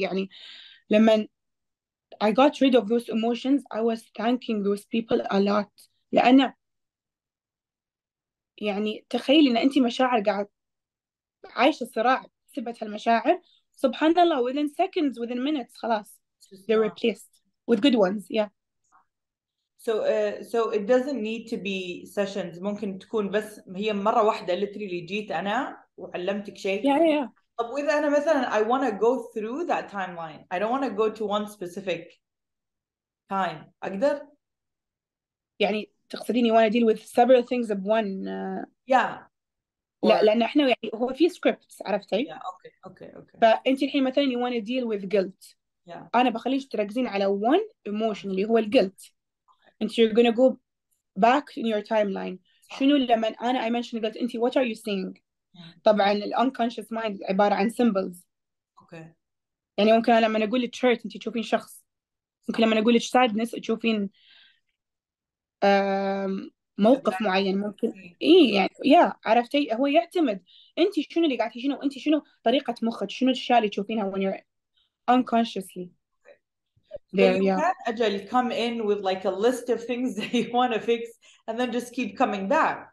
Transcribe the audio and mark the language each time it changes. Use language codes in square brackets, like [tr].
[ar] يعني لما [en] I got rid of those emotions I was thanking those people a lot. [ar] لأن يعني تخيلي إن أنت مشاعر قاعد عايشة صراع سبت هالمشاعر، سبحان الله [en] within seconds within minutes [ar] خلاص [en] Just they're replaced with good ones. Yeah. So it doesn't need to be sessions. [ar] ممكن تكون بس هي مرة واحدة literally جيت أنا وعلمتك شيء. [en] Yeah. [ar] طب وإذا أنا مثلاً [en] I want to go through that timeline. I don't want to go to one specific time. [ar] أقدر؟ يعني تقصدين [en] you want to deal with several things of one. Yeah. [ar] لا لأن إحنا يعني هو في scripts، عرفتي؟ [en] Yeah. Okay. [ar] فأنت الحين مثلاً [en] you want to deal with guilt. Yeah. [ar] أنا بخليش تركزين على [en] one emotion [ar] اللي هو الguilt. [en] And you're gonna go back in your timeline. [ar] شنو لما أنا [en] I mention guilt أنت what are you seeing؟ [ar] طبعاً الـ [en] unconscious mind [ar] عبارة عن [en] symbols. Okay. [ar] يعني ممكن لما أقول لك hurt أنت تشوفين شخص، ممكن لما أقول لك sadness تشوفين موقف معين، ممكن إيه يعني يا yeah. عرفتي هو يعتمد أنت شنو اللي قاعد تشوفينه، وأنت شنو طريقة مخك، شنو الأشياء اللي تشوفينها [en] when you're unconsciously. There, you yeah. can't agile come in with like a list of things that you want to fix and then just keep coming back.